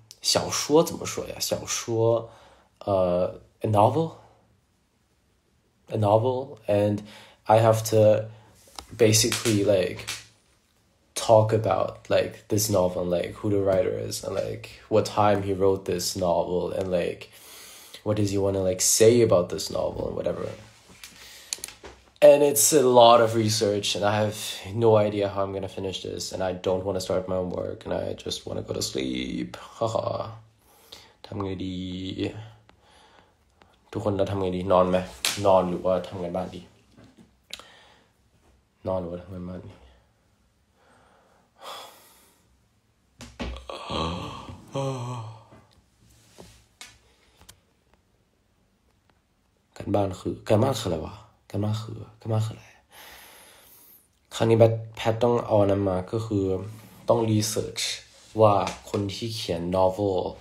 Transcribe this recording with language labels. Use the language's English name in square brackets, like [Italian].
[Chinese] 小说怎么说呀小说 [English] a novel and I have toBasically, talk about this novel, and, who the writer is, and what time he wrote this novel, and what does he want to say about this novel, and whatever. And it's a lot of research, and I have no idea how I'm gonna finish this, and I don't want to start my own work, and I just want to go to sleep. Haha. [Thai] ทำไงดี ทุกคนจะทำไงดี นอนไหม นอนหรือว่าทำไงบ้างดีนอนหรือทำไมมันการบ้านคืออะไรวะการบ้านคืออะไรคราวนี้แพทต้องเอานั้นมาก็คือต้องรีเสิร์ชว่าคนที่เขียนนอเวล